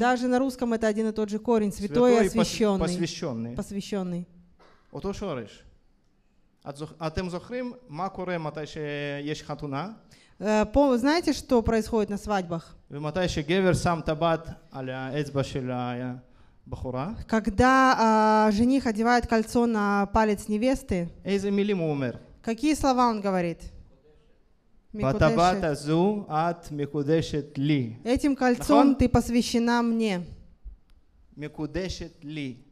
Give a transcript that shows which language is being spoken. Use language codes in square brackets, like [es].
[ru] Даже на русском это один и тот же корень, святой и освященный. Посвященный. [he] אותו שורש. אתם זוכרים מה קורה מתי שיש חתונה? [ru] Знаете, что происходит на свадьбах? [he] ומתי שגבר שם טבעת על האצבע של הבחורה? [ru] Когда жених одевает кольцо на палец невесты? [he] איזה מילים הוא אומר? [ru] Какие слова он говорит? [he] Микудешет. [ru] Этим кольцом ты посвящена мне. [he] Микудешет ли.